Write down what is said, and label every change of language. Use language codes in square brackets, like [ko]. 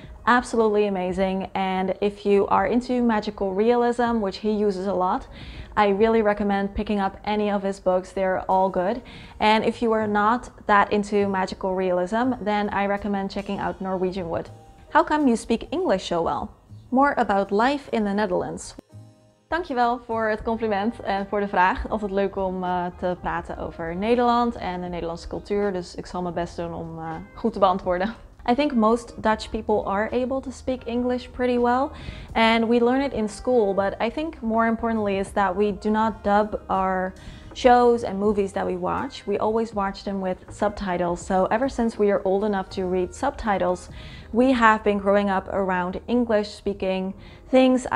[en] Absolutely amazing. And if you are into magical realism, which he uses a lot, I really recommend picking up any of his books. They're all good. And if you are not that into magical realism, then I recommend checking out Norwegian Wood. How come you speak English so well? More about life in the Netherlands. [nl] Dankjewel voor het compliment en voor de vraag. Altijd leuk om te praten over Nederland en de Nederlandse cultuur, dus ik zal mijn best doen om goed te beantwoorden. [en] I think most Dutch people are able to speak English pretty well, and we learn it in school, but I think more importantly is that we do not dub our shows and movies that we watch. We always watch them with subtitles, so ever since we are old enough to read subtitles, we have been growing up around English speaking things.